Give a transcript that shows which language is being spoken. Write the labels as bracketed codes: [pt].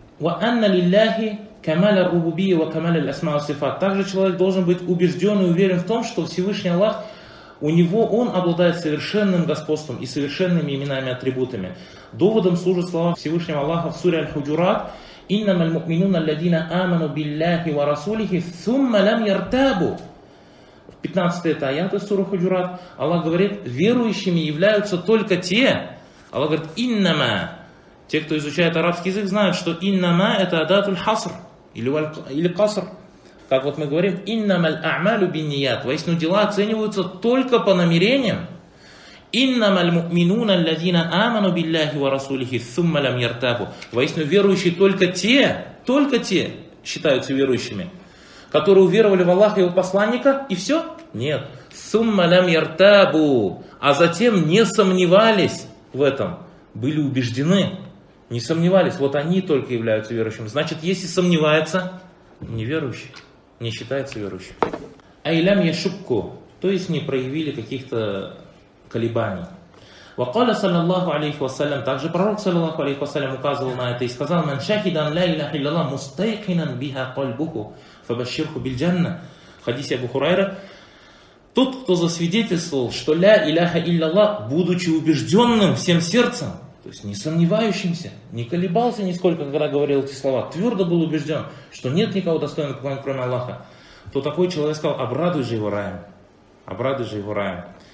[ar] وَأَنَّ لِلَّهِ كَمَالَ الرُّبُوبِيَّةِ وَكَمَالَ الْأَسْمَاءِ وَالصِّفَاتِ. [ru] Также человек должен быть убежден и уверен в том, что Всевышний Аллах, у него он обладает совершенным господством и совершенными именами и атрибутами. Доводом служат слова Всевышнего Аллаха в суре Аль-Худжурат. [ar] إنما المؤمنون الذين آمنوا بالله ورسوله ثم لم يرتابوا. [ru] В 15 аят из суры Худжурат Аллах говорит, верующими являются только те. Аллах говорит, إنما. Те, кто изучает арабский язык, знают, что إنما это адат аль-хаср или каср. Как вот мы говорим, [ar] إنما الأعمال بالنيات. [ru] Воистину дела оцениваются только по намерениям. [ar] إنما المؤمنون الذين آمنوا بالله ورسوله ثم لم يرتابوا. [ru] Воистину верующие только те считаются верующими, которые уверовали в Аллаха и его посланника, и все? [ar] Нет. ثم لم يرتابوا. [ru] А затем не сомневались в этом, были убеждены, не сомневались. Вот они только являются верующими. Значит, если сомневается, неверующий, не считается верующим. [ar] أي لم يشكوا. [ru] То есть не проявили каких-то колебаний. [ar] وقال صلى الله عليه وسلم, [ru] также пророк [ar] صلى الله عليه وسلم [ru] указывал на это и сказал: [ar] من شهد أن لا إله إلا الله مستيقنا بها قلبه فبشره بالجنة. [ru] В хадисе Абу Хурайра: тот, кто засвидетельствовал, что ля иляха илляллах, будучи убежденным всем сердцем, то есть не сомневающимся, не колебался нисколько, когда говорил эти слова, твердо был убежден, что нет никого достойного поклонения, кроме Аллаха, то такой человек сказал: обрадуй же его раем, обрадуй же его раем.